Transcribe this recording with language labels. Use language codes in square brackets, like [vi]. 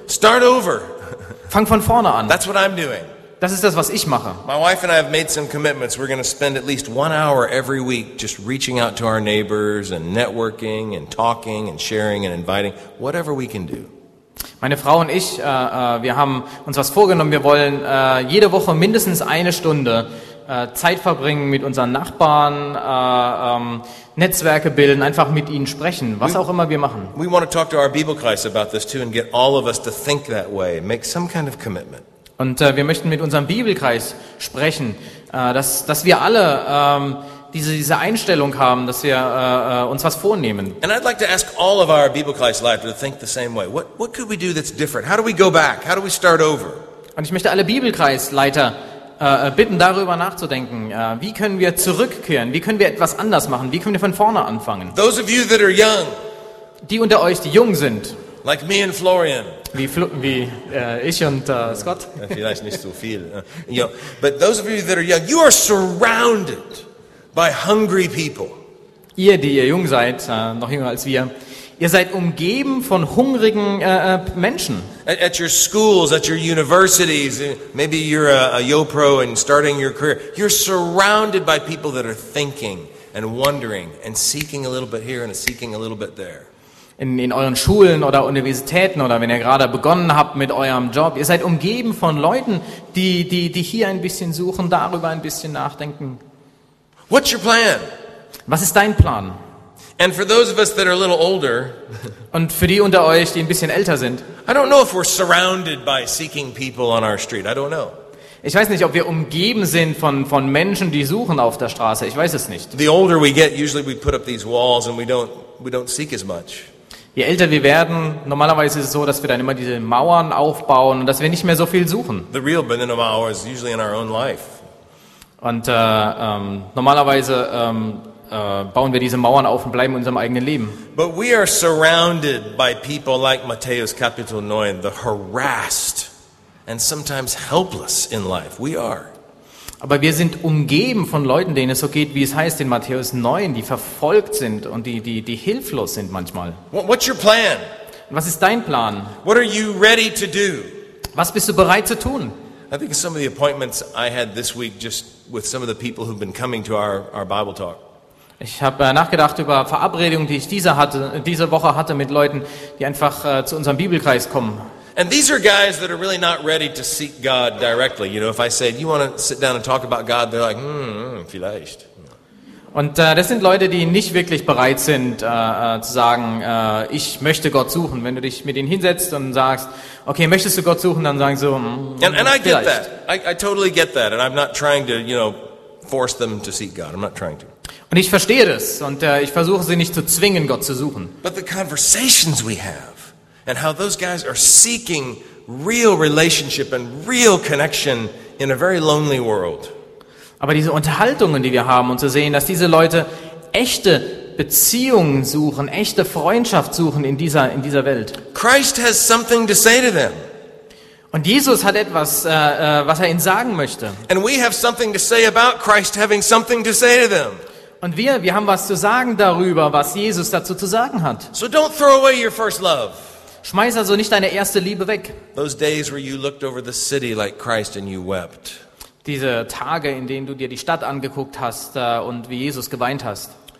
[en] Start over. [de] Fang von vorne an. [en] That's what I'm doing. [de] Das ist das, was ich mache. [en] My wife and I have made some commitments. We're going to spend at least 1 hour every week just reaching out to our neighbors and networking and talking and sharing and inviting, whatever we can do. [de] Meine Frau und ich, wir haben uns was vorgenommen. Wir wollen jede Woche mindestens eine Stunde Zeit verbringen mit unseren Nachbarn, Netzwerke bilden, einfach mit ihnen sprechen, was auch immer wir machen. [en] We want to talk to our Bibelkreis about this too and get all of us to think that way, make some kind of commitment. [de] Und wir möchten mit unserem Bibelkreis sprechen, dass wir alle diese Einstellung haben, dass wir uns was vornehmen. [en] And I'd like to ask all of our Bibelkreis Leiter to think the same way. What could we do that's different? How do we go back? How do we start over? [de] Und ich möchte alle Bibelkreisleiter bitten, darüber nachzudenken. Wie können wir zurückkehren? Wie können wir etwas anders machen? Wie können wir von vorne anfangen? [en] Those of you that are young, [de] die unter euch, die jung sind, [en] like me and Florian. [de] Wie ich und Scott. Vielleicht nicht so viel. [en] You know, but those of you that are young, you are surrounded by hungry people. [de] Ihr, die ihr jung seid, noch jünger als wir, ihr seid umgeben von hungrigen Menschen. [en] At your schools, at your universities, maybe you're a YoPro and starting your career. You're surrounded by people that are thinking and wondering and seeking a little bit here and seeking a little bit there. [de] In euren Schulen oder Universitäten oder wenn ihr gerade begonnen habt mit eurem Job, ihr seid umgeben von Leuten, die hier ein bisschen suchen, darüber ein bisschen nachdenken. [en] What's your plan? [de] Was ist dein Plan? [en] And for those of us that are a little older, [de] und für die unter euch, die ein bisschen älter sind, [en] I don't know if we're surrounded by seeking people on our street. I don't know. [de] Ich weiß nicht, ob wir umgeben sind von Menschen, die suchen auf der Straße. Ich weiß es nicht. [en] The older we get, usually we put up these walls and we don't seek as much. [de] Je älter wir werden, normalerweise ist es so, dass wir dann immer diese Mauern aufbauen und dass wir nicht mehr so viel suchen. [en] The real burden of ours is usually in our own life. [de] Und normalerweise bauen wir diese Mauern auf und bleiben in unserem eigenen Leben. [en] But we are surrounded by people like Matthäus Kapitel 9, the harassed and sometimes helpless in life. We are. [de] Aber wir sind umgeben von Leuten, denen es so geht, wie es heißt in Matthäus 9, die verfolgt sind und die hilflos sind manchmal. [en] What's your plan? [de] Was ist dein Plan? [en] What are you ready to do? [de] Was bist du bereit zu tun? [en] I think some of the appointments I had this week just with some of the people who've been coming to our Bible talk. [de] Ich habe nachgedacht über Verabredungen, die ich diese Woche hatte mit Leuten, die einfach zu unserem Bibelkreis kommen. [en] And these are guys that are really not ready to seek God directly. You know, if I said, you want to sit down and talk about God, they're like, [de] vielleicht. Und das sind Leute, die nicht wirklich bereit sind zu sagen, ich möchte Gott suchen. Wenn du dich mit ihnen hinsetzt und sagst, okay, möchtest du Gott suchen, dann sagen sie so, [en] and I get that. I totally get that. And I'm not trying to, you know, force them to seek God. I'm not trying to. [de] Und ich verstehe das. Und ich versuche sie nicht zu zwingen, Gott zu suchen. [en] But the conversations we have. And how those guys are seeking real relationship and real connection in a very lonely world. [de] Aber diese Unterhaltungen, die wir haben, und zu sehen, dass diese Leute echte Beziehungen suchen, echte Freundschaft suchen in dieser Welt. [en] Christ has something to say to them. [de] Und Jesus hat etwas, was er ihnen sagen möchte. [en] And we have something to say about Christ having something to say to them. [de] Und wir haben was zu sagen darüber, was Jesus dazu zu sagen hat. [en] So don't throw away your first love. [de] Schmeiß also nicht deine erste Liebe weg. [en] Those days where you looked over the city like Christ and you wept. [de] Diese Tage, in denen du dir die Stadt angeguckt hast und wie Jesus geweint hast.